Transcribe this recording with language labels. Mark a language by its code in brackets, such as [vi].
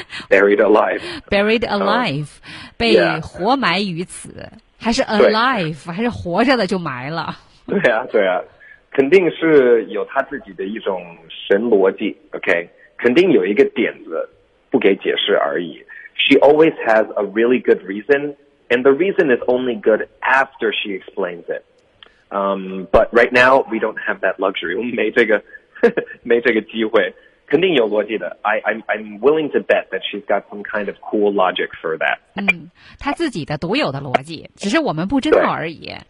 [en] buried alive， buried alive、 [zh] 被活埋于此、还是 alive， 还是活着的就埋了。对啊对啊，肯定是有他自己的一种神逻辑， OK， 肯定有一个点子不给解释而已。 [en] She always has a really good reason and the reason is only good after she explains itbut right now we don't have that luxury. [zh] 我们没这个没这个机会，肯定有逻辑的。 [en] I'm willing to bet that she's got some kind of cool logic for that. [zh] 嗯，她自己的独有的逻辑，只是我们不知道而已。